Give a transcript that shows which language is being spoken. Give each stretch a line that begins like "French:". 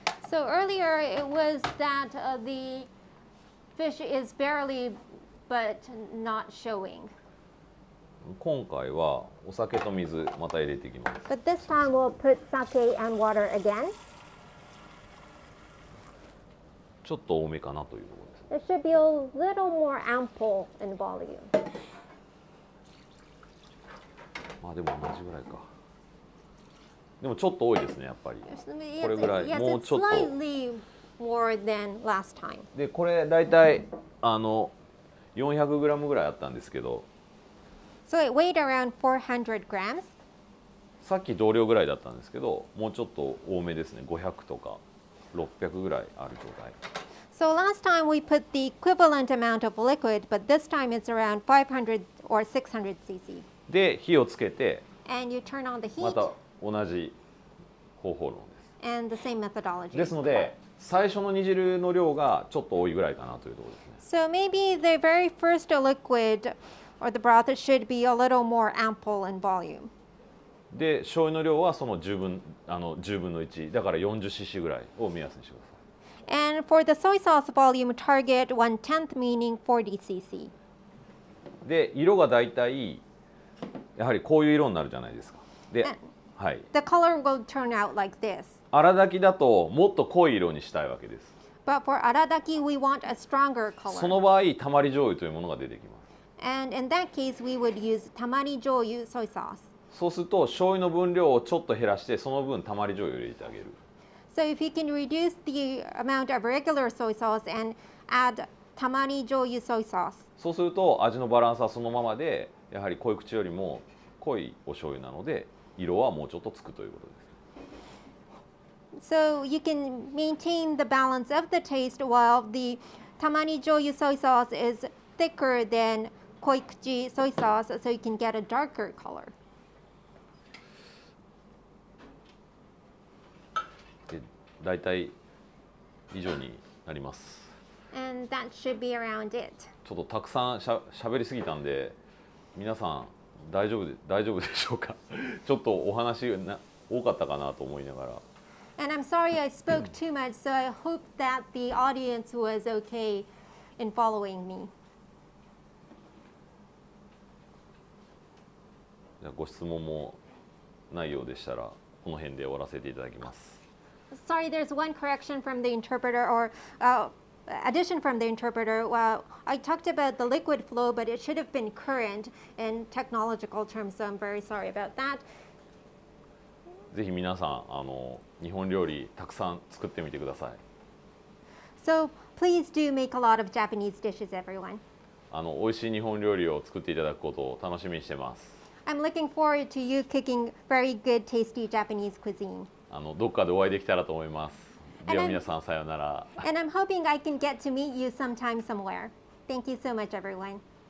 English: So earlier it was that the fish is barely but not showing.
Japanese: 今回はお酒と水また入れていきます。
English: But this time we'll put sake and water again.
Japanese: ちょっと多めかなというところです。
English: It should be a little more ample in volume.
Japanese: まあでも同じぐらいか。でもちょっと多いですね、やっぱり。これぐらい、もうちょっと。
English: Slightly more than last time.
Japanese: で、これだいたい400グラムぐらいあったんですけど。
English: So it weighed around 400 grams.
Japanese: さっき同量ぐらいだったんですけど、もうちょっと多めですね、500とか600ぐらいある状態。
English: So last time we put the equivalent amount of liquid, but this time it's around 500 or 600 cc.
Japanese: で、火をつけて。
English: And you turn on the heat.
Japanese: また同じ方法論です。
English: And the same methodology.
Japanese: ですので、最初の煮汁の量がちょっと多いぐらいかなというところですね。
English: So maybe the very first liquid or the broth should be a little more ample in volume.
Japanese: で、醤油の量はその10分の1、だから 40cc ぐらいを目安にしてください。
English: And for the soy sauce volume, target 1/10 meaning 40cc.
Japanese: で、色がだいたい、やはりこういう色になるじゃないですか。で、はい、
English: The color will turn out like this.
Japanese: 荒炊きだともっと濃い色にしたいわけです。
English: But for 荒炊き, we want a stronger color.
Japanese: その場合、たまり醤油というものが出てきます。
English: And in that case, we would use たまり醤油 soy sauce.
Japanese: そうすると醤油の分量をちょっと減らして、その分たまり醤油を入れてあげる。
English: So if you can reduce the amount of regular soy sauce and add たまり醤油 soy sauce.
Japanese: そうすると味のバランスはそのままで、やはり濃い口よりも濃いお醤油なので、色はもうちょっとつくということです。
English: So you can maintain the balance of the taste while the tamari joyu soy sauce is thicker than koikuchi soy sauce, so you can get a darker color.
Japanese: だいたい以上になります。
English: And that should be around it.
Japanese: ちょっとたくさんしゃべりすぎたんで、皆さん大丈夫でしょうか。ちょっとお話が多かったかなと思いながら。
English: And I'm sorry I spoke too much, so I hope that the audience was okay in following me.
Japanese: じゃあご質問もないようでしたら、この辺で終わらせていただきます。
English: Sorry, there's one correction from the interpreter or addition from the interpreter. Well, I talked about the liquid flow, but it should have been current in technological terms, so I'm very sorry about that.
Japanese: ぜひ皆さん、日本料理たくさん作ってみてください。
English: So, please do make a lot of Japanese dishes, everyone.
Japanese: 美味しい日本料理を作っていただくことを楽しみにしてます。
English: I'm looking forward to you cooking very good, tasty Japanese cuisine.
Japanese: どっかでお会いできたらと思います。では皆さん、さようなら。
English: And I'm hoping I can get to meet you sometime somewhere. Thank you so much, everyone.